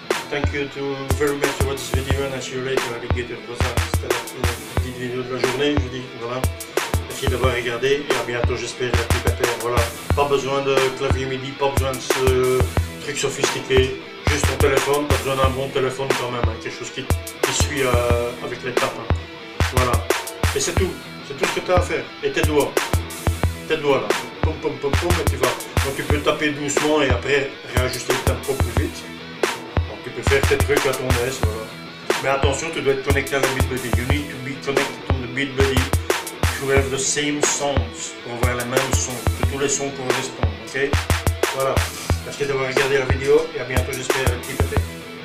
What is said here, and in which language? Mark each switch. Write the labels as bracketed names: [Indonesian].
[English] Thank you to very much to watch this video and I'll see you later, alligator. [French] Voilà, c'était la petite vidéo de la journée, je vous dis, voilà. Merci d'avoir regardé et à bientôt, j'espère, la petite paire. Voilà. Pas besoin de clavier MIDI, pas besoin de ce truc sophistiqué. Juste ton téléphone, pas besoin d'un bon téléphone quand même, hein, quelque chose qui suit avec les tapes. Hein. Voilà. Et c'est tout. C'est tout ce que tu as à faire. Et tes doigts. Tes doigts là. Pom pom pom pom et tu vas. Donc tu peux taper doucement et après réajuster le tempo plus vite. Donc tu peux faire tes trucs à ton aise, voilà. Mais attention, tu dois être connecté à la Midbuddy. [English] You need to be connected to the Midbuddy to have the same sounds. [French] Pour avoir les mêmes sons. Que tous les sons correspondent. Ok? Voilà. Merci d'avoir regardé la vidéo et à bientôt, j'espère, un petit peu.